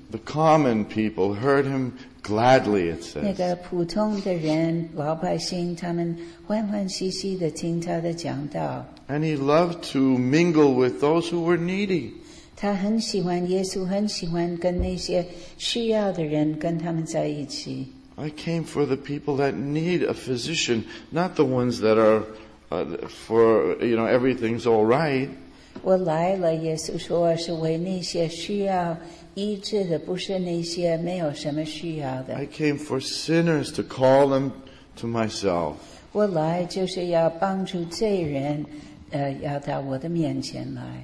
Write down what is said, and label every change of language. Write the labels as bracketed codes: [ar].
[en] The common people heard him gladly, it says. [zh] 那个普通的人，老百姓，他们欢欢喜喜地听他的讲道。 [en] And he loved to mingle with those who were needy. [zh] 他很喜欢，耶稣很喜欢跟那些需要的人，跟他们在一起。 [en] I came for the people that need a physician, not the ones that are for, you know, everything's all right. [zh] 我来了，耶稣说，是为那些需要医治的，不是那些没有什么需要的。 [en] I came for sinners to call them to myself. [zh] 我来就是要帮助罪人, 要到我的面前来。